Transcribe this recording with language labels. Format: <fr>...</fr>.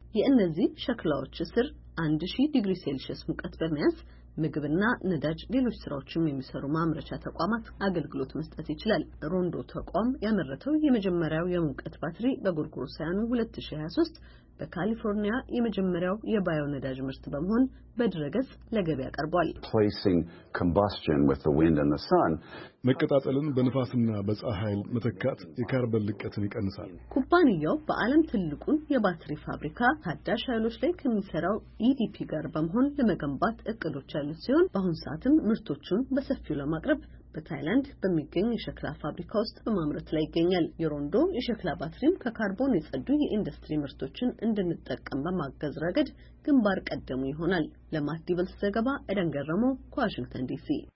<am>የእነዚህ ሸክላዎች ስር 1000 ዲግሪ ሴልሺየስ ሙቀት በሚያዝ ምግብና ነዳጅ ሌሎች ስራዎችም የሚሰሩ ማምረቻ ተቋማት አገልግሎት መስጠት ይችላል። ሮንዶ ተቋም ያመረተው የመጀመሪያው የሙቀት ባትሪ በጎርጎሮሳውያኑ 2023 በካሊፎርኒያ የመጀመሪያው የባዮ ነዳጅ ምርት በመሆን በድረገጽ ለገበያ ቀርቧል።</am> <en>Placing combustion with the wind and the sun</en> <am>መቀጣጠልን በንፋስና በፀሐይ መተካት የካርበን ልቀትን ይቀንሳል። ኩባንያው በዓለም ትልቁን የባትሪ ፋብሪካ ታዳሽ ኃይሎች ላይ ከሚሰራው EDP ጋር በመሆን ለመገንባት እቅዶች አሉ ሲሆን በአሁን ሰዓትም ምርቶቹን በሰፊው ለማቅረብ በ30 በታይላንድ በሚገኝ የሸክላ ፋብሪካ ውስጥ በማምረት ላይ ይገኛል። የሮንዶ የሸክላ ባትሪም ከካርቦን የጸዱ የኢንዱስትሪ ምርቶችን እንድንጠቀም በማገዝ ረገድ ግንባር ቀደሙ ይሆናል። ለማዲቨልስ ዘገባ ኤደን ገረሞ ከዋሽንግተን ዲሲ።</am>